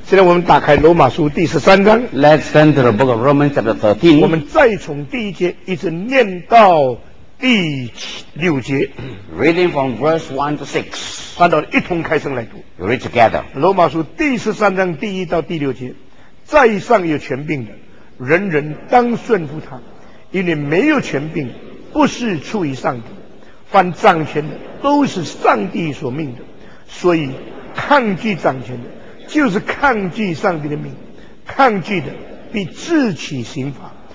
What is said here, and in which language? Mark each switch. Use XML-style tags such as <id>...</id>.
<zh>现在我们打开罗马书第十三章。</zh> <en>Let's turn to the book of Romans chapter 13.</en> <zh>我们再从第一节一直念到第六节。</zh> <en>Reading from verse 1 to 6.</en> <zh>按照一同开声来读。</zh> <en>You read together.</en> <zh>罗马书第十三章第一到第六节，在上有权柄的，人人当顺服他，因为没有权柄，不是出于上帝，凡掌权的都是上帝所命的，所以抗拒掌权的，就是抗拒上帝的命，抗拒的必自取刑罚。</zh>